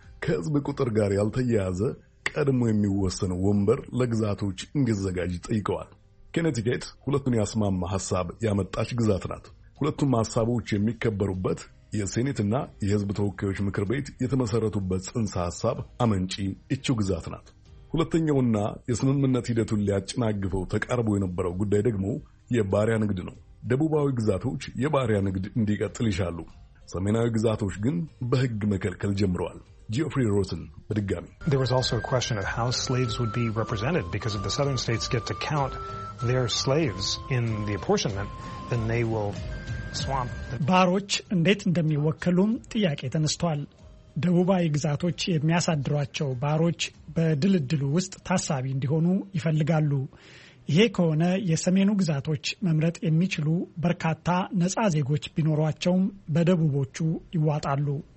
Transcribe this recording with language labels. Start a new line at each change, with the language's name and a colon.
Amharic: ከህዝብ ቁጥር ጋር ያልተያያዘ ቀድሞ የሚወሰን ወንበር ለግዛቶች እንዲዘጋጅ ጠይቀዋል። ኬኔቲኬት ሁለቱን ያስማማ ሐሳብ ያመጣች ግዛት ናት። ሁለቱም ሐሳቦች የሚከበሩበት የሴኔትና የህዝብ ተወካዮች ምክር ቤት የተመሰረቱበት ጽንሰ ሐሳብ አመንጪ እቺው ግዛት ናት። ሁለተኛውና የስምምነት ሂደቱን ሊያጨናግፈው ተቃርቦ የነበረው ጉዳይ ደግሞ የባሪያ ንግድ ነው። ደቡባዊ ግዛቶች የባሪያ ንግድ እንዲቀጥል ይሻሉ። ሰሜናዊ ግዛቶች ግን በህግ መከልከል ጀምረዋል። Geoffrey Rosen, በድጋሚ
English: There was also a question of how slaves would be represented because if the southern states get to count their slaves in the apportionment, then they will swamp
Amharic: ባሮች እንዴት እንደሚወከሉም ጥያቄ ተነስተዋል። ደቡባዊ ግዛቶች የሚያሳድሯቸው ባሮች በድልድሉ ውስጥ ታሳቢ እንዲሆኑ ይፈልጋሉ። ይሄ ከሆነ የሰሜኑ ግዛቶች መምረጥ የሚችሉ በርካታ ነጻ ዜጎች ቢኖሯቸውም በደቡቦቹ ይዋጣሉ።